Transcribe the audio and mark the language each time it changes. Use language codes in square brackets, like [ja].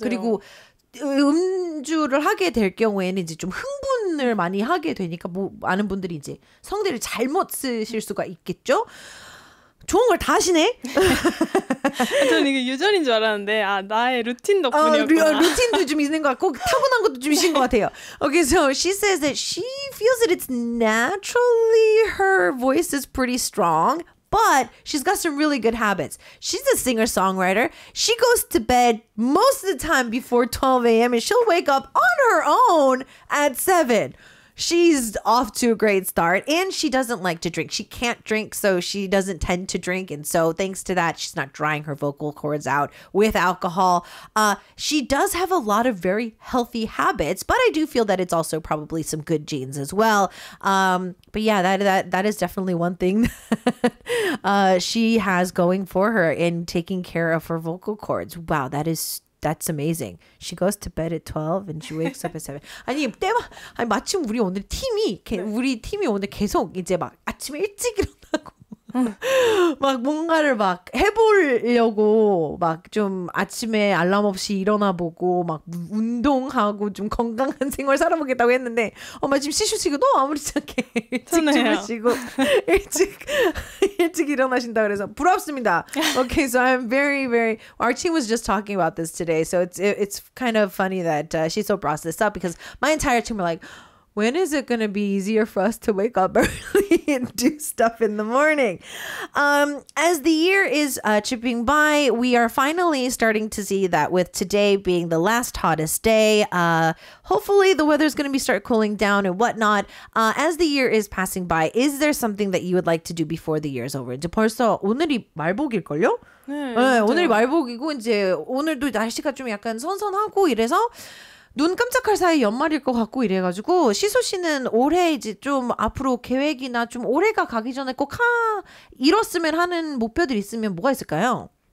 [ko] 그리고 음주를 하게 될 경우에는 이제 좀 흥분을 많이 하게 되니까 뭐 많은 분들이 이제 성대를 잘못 쓰실 수가 있겠죠. 좋은 걸 다 하시네. 저는 이게 유전인 줄 알았는데 아 나의 루틴 덕분이었구나. 루틴도 좀 있는 것 같고 타고난 것도 좀 있으신 것 같아요. [en] Okay, so she says that she feels that it's naturally her voice is pretty strong, but she's got some really good habits. She's a singer-songwriter. She goes to bed most of the time before 12 a.m. and she'll wake up on her own at 7. She's off to a great start, and she doesn't like to drink. She can't drink, so she doesn't tend to drink, and so thanks to that, she's not drying her vocal cords out with alcohol. She does have a lot of very healthy habits, but I do feel that it's also probably some good genes as well. But yeah, that is definitely one thing she has going for her in taking care of her vocal cords. Wow, That's amazing. She goes to bed at 12 and she wakes up at 7. [ko] 아니, 아니 마침 우리 오늘 팀이 우리 팀이 오늘 계속 이제 막 아침에 일찍 일어나고 막 뭔가를 막 해보려고 막 좀 아침에 알람 없이 일어나 보고 막 운동하고 좀 건강한 생활 살아보겠다고 했는데 엄마 지금 시슈 씨가 너무 아무렇지 않게 일찍 주무시고 일찍 일어나신다 그래서 부럽습니다. [en] Okay, so I'm very, very. Our team was just talking about this today, so it's kind of funny that she so brought this up because my entire team were like, when is it going to be easier for us to wake up early and do stuff in the morning? As the year is chipping by, we are finally starting to see that with today being the last hottest day, hopefully the weather is going to be start cooling down and whatnot. As the year is passing by, is there something that you would like to do before the year is over? [ko] 이제 벌써 오늘이 말복일걸요? 네, 오늘이 말복이고 이제 오늘도 날씨가 좀 약간 선선하고 이래서 눈 깜짝할 사이 연말일 것 같고 이래가지고 시소 씨는 올해 이제 좀 앞으로 계획이나 좀 올해가 가기 전에 꼭 이뤘으면 하는 목표들 있으면 뭐가 있을까요?